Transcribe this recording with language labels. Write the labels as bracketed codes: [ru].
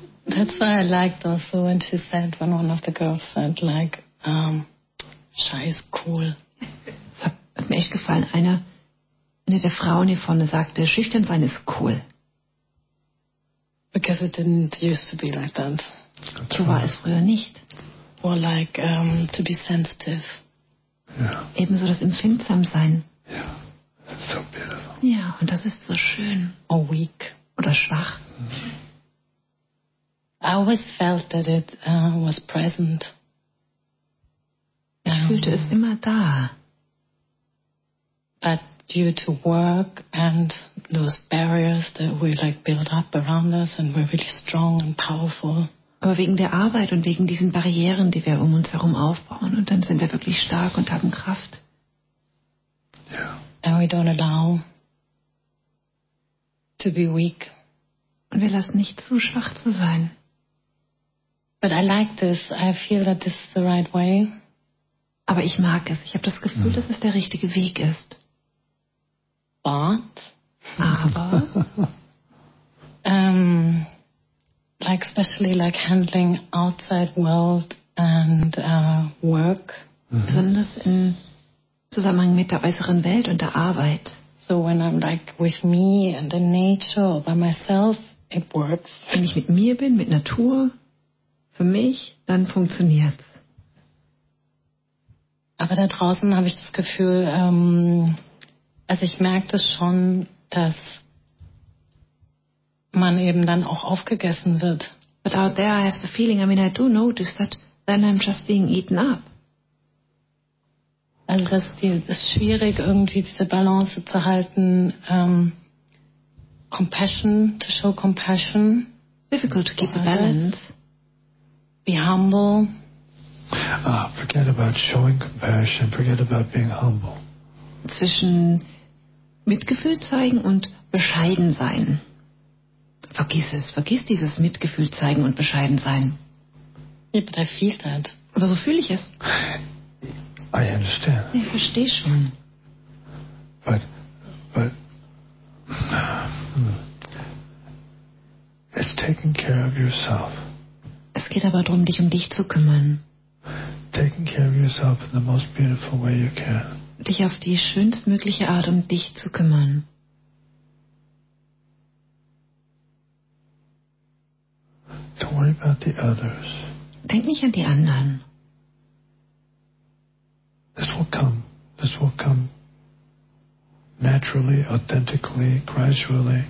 [en] That's why I liked also when she said, when one of the girls said, like, shy is cool. [de] Es hat mir echt gefallen, eine der Frauen hier vorne sagte, schüchtern sein ist cool. [en] Because it didn't used to be like that. [de] So war es früher nicht. [en] Or like to be sensitive. Yeah. [de] Ebenso das empfindsam sein. [en] Yeah. So beautiful. [de] Ja, und das ist so schön. [en] Or weak. [de] Oder schwach. [en] Mm. I always felt that it was present. [de] Ich fühlte es immer da. [en] But due to work and those barriers that we like build up around us and we're really strong and powerful. [de] Aber wegen der Arbeit und wegen diesen Barrieren, die wir um uns herum aufbauen, und dann sind wir wirklich stark und haben Kraft. [en] Yeah. And we don't allow to be weak. [de] Und wir lassen nicht zu, schwach zu sein. [en] But I like this. I feel that this is the right way. [de] Aber ich mag es. Ich habe das Gefühl, dass es der richtige Weg ist. [en] But. [de] Aber. [en] Like especially like handling outside world and work. [de] Besonders im Zusammenhang mit der äußeren Welt und der Arbeit. [en] So when I'm like with me and in nature or by myself, it works. [de] Wenn ich mit mir bin, mit Natur, für mich, dann funktioniert's. Aber da draußen habe ich das Gefühl, also ich merke das schon, dass man eben dann auch aufgegessen wird. [en] But out there I have the feeling, I mean, I do notice that then I'm just being eaten up. [de] Also das ist schwierig, irgendwie diese Balance zu halten, [en] compassion, to show compassion. Difficult to keep the balance. Be humble. Forget about showing compassion, forget about being humble. [de] Zwischen Mitgefühl zeigen und bescheiden sein. Vergiss es. Vergiss dieses Mitgefühl zeigen und bescheiden sein. [en] Yeah, but I feel that. [de] Aber so fühle ich es. [en] I understand. [de] Ich verstehe schon. [en] But it's taking care of yourself. [de] Es geht aber darum, dich um dich zu kümmern. [en] Taking care of yourself in the most beautiful way you can. [de] Dich auf die schönstmögliche Art um dich zu kümmern. [en] Don't worry about the others. [de] Denk nicht an die anderen. [en] This will come. This will come naturally, authentically, gradually.